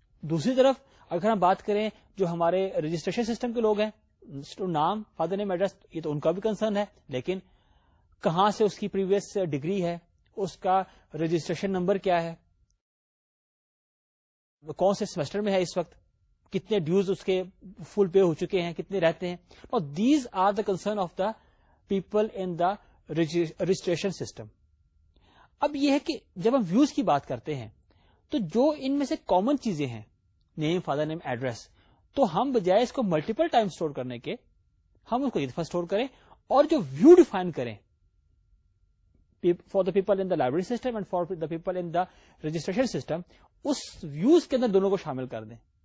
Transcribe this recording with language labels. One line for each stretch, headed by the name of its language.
Urdu: دوسری طرف اگر ہم بات کریں جو ہمارے رجسٹریشن سسٹم کے لوگ ہیں, نام, فادر نیم, ایڈریس, یہ تو ان کا بھی کنسرن ہے, لیکن کہاں سے اس کی پریویس ڈگری ہے, اس کا رجسٹریشن نمبر کیا ہے, کون سے سیمسٹر میں ہے اس وقت, کتنے ڈیوز اس کے فل پے ہو چکے ہیں, کتنے رہتے ہیں.
English: اور these are the concern of the people in the registration system.
Urdu: اب یہ ہے کہ جب ہم ویوز کی بات کرتے ہیں تو جو ان میں سے کامن چیزیں ہیں, نیم, فادر نیم, ایڈریس, تو ہم بجائے اس کو ملٹیپل ٹائم سٹور کرنے کے ہم اس کو ایک دفعہ سٹور کریں, اور جو ویو ڈیفائن کریں
English: for the people in the library system and for the people in the registration system,
Urdu: اس views کے اندر دونوں کو شامل کر دیں.